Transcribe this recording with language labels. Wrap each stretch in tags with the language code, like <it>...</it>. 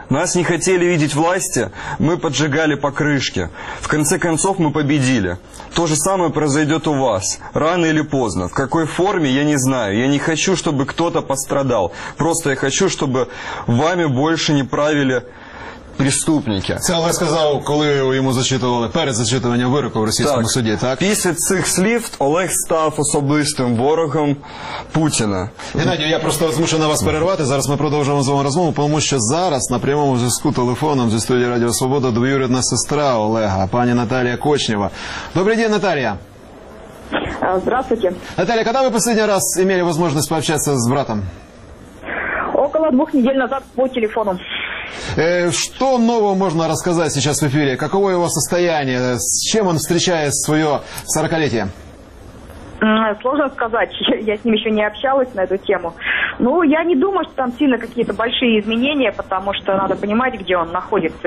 <ru>Нас не хотели видеть власти, мы поджигали покрышки. В конце концов мы победили. То же самое произойдет у вас, рано или поздно. В какой форме, я не знаю. Я не хочу, чтобы кто-то пострадал. Просто я хочу, чтобы вами больше не правили преступники.</ru> <uk>Це Олег сказав, коли йому зачитували, перед зачитуванням вироку в російському так. суді, так? Після цих слів Олег став особистим ворогом Путіна. Геннадію, я просто змушу на вас перервати, зараз ми продовжуємо з вами розмову, тому що зараз на прямому зв'язку телефоном зі студії Радіо Свобода двоюрідна сестра Олега, пані Наталія Кочнєва. Добрий день, Наталія!</uk> <ru>Здравствуйте!</ru> <uk>Наталія, коли ви останній раз мали можливість пообщатися з братом?</uk> <ru>Около двох недель назад по телефону. Что нового можно рассказать сейчас в эфире? Каково его состояние? С чем он встречает свое 40-летие? Сложно сказать. Я с ним еще не общалась на эту тему. Ну, я не думаю, что там сильно какие-то большие изменения, потому что надо понимать, где он находится.</ru>